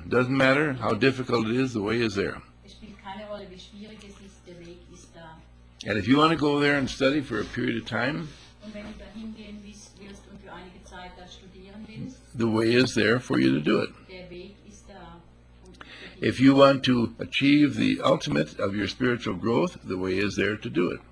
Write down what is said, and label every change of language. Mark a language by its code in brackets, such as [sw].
[en] Doesn't matter how difficult it is, the way is there. [de] Es spielt keine Rolle, wie schwierig es ist, der Weg ist da. [en] And if you want to go there and study for a period of time, [de] und wenn du dahin gehen willst und für einige Zeit da studieren willst, [en] the way is there for you to do it. [de] Der Weg ist da. [en] If you want to achieve the ultimate of your spiritual growth, the way is there to do it.